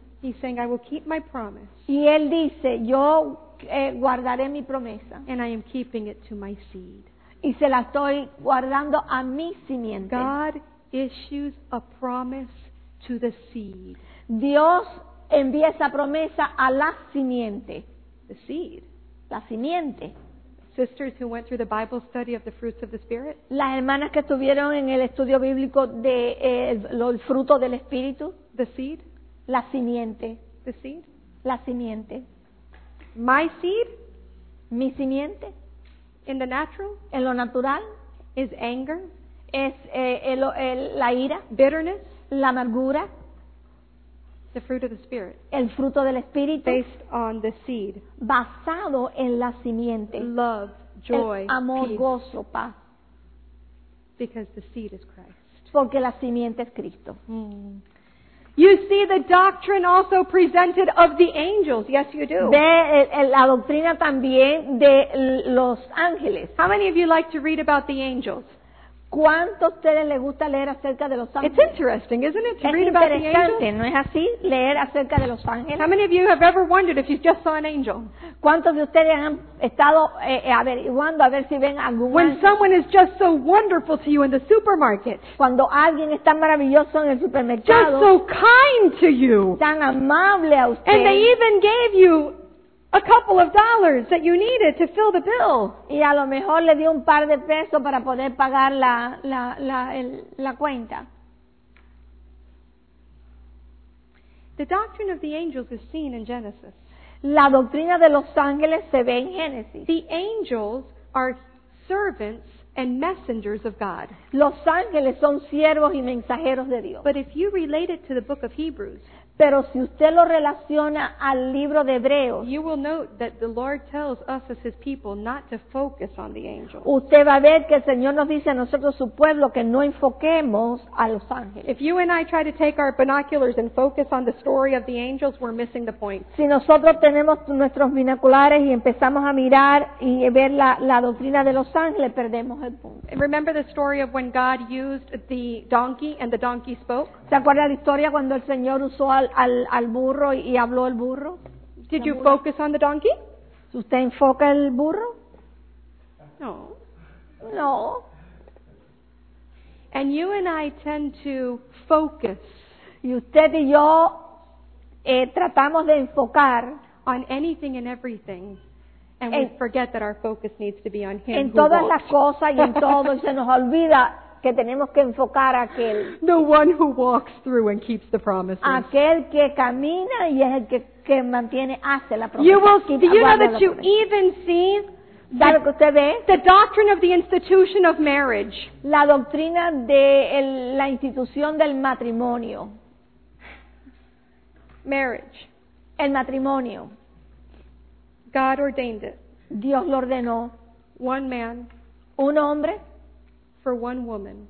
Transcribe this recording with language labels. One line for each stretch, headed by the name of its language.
English: He's saying, "I will keep my promise."
Spanish: Y él dice, "Yo guardaré mi promesa."
English: And I am keeping it to my seed.
Spanish: Y se la estoy guardando a mi simiente.
English: God issues a promise to the seed.
Spanish: Dios envía esa promesa a la simiente.
English: The seed.
Spanish: La simiente.
English: Sisters who went through the Bible study of the fruits of the Spirit.
Spanish: Las hermanas que estuvieron en el estudio bíblico de los frutos del Espíritu.
English: The seed.
Spanish: La simiente.
English: The seed.
Spanish: La simiente.
English: My seed.
Spanish: Mi simiente.
English: In the natural.
Spanish: En lo natural.
English: Is anger.
Spanish: Es la ira.
English: Bitterness.
Spanish: La amargura.
English: The fruit of the Spirit.
Spanish: El fruto del Espíritu.
English: Based on the seed.
Spanish: Basado en la simiente.
English: Love, joy,
Spanish: el amor,
English: peace.
Spanish: Gozo, paz.
English: Because the seed is Christ.
Spanish: Porque la simiente es Cristo.
English: You see the doctrine also presented of the angels. Yes, you do.
Spanish: Ve la doctrina también de los ángeles.
English: How many of you like to read about the angels?
Spanish: ¿Cuántos a ustedes les gusta leer acerca de los ángeles?
English: It's interesting, isn't it, to
Spanish: es
English: read about the angels?
Spanish: Es interesante, ¿no es así? Leer acerca de los ángeles.
English: How many of you have ever wondered if you just saw an angel?
Spanish: ¿Cuántos de ustedes han estado averiguando a ver si ven algún
English: When
Spanish: ángel?
English: Someone is just so wonderful to you in the supermarket.
Spanish: Cuando alguien es tan maravilloso en el supermercado.
English: Just so kind to you.
Spanish: Tan amable a usted.
English: And they even gave you a couple of dollars that you needed to fill the bill.
Spanish: Y a lo mejor le dio un par de pesos para poder pagar la cuenta.
English: The doctrine of the angels is seen in Genesis.
Spanish: La doctrina de los ángeles se ve en Génesis.
English: The angels are servants and messengers of God.
Spanish: Los ángeles son siervos y mensajeros de Dios.
English: But if you relate it to the book of Hebrews,
Spanish: pero si usted lo relaciona al libro de Hebreos,
English: you will note that the Lord tells us as His people not to focus on the angels.
Spanish: Usted va a ver que el Señor nos dice a nosotros, su pueblo, que no enfoquemos a los ángeles.
English: If you and I try to take our binoculars and focus on the story of the angels, we're missing the point.
Spanish: Si nosotros tenemos nuestros binoculares y empezamos a mirar y ver la doctrina de los ángeles, perdemos el punto.
English: Remember the story of when God used the donkey and the donkey spoke?
Spanish: ¿Se acuerda la historia cuando el Señor usó al burro y habló el burro?
English: Did you focus on the donkey?
Spanish: ¿Usted enfoca el burro?
English: No.
Spanish: No.
English: And you and I tend to focus.
Spanish: Y usted y yo tratamos de enfocar
English: on anything and everything. And we forget that our focus needs to be on Him.
Spanish: En todas las cosas y en todo, y se nos olvida que tenemos que enfocar a aquel.
English: The one who walks through and keeps the promises.
Spanish: Aquel que camina y es el que mantiene, hace la promesa.
English: You will, do you know that you even see the doctrine of the institution of marriage?
Spanish: La doctrina de la institución del matrimonio.
English: Marriage.
Spanish: El matrimonio.
English: God ordained it.
Spanish: Dios lo ordenó.
English: One man.
Spanish: Un hombre.
English: For one woman,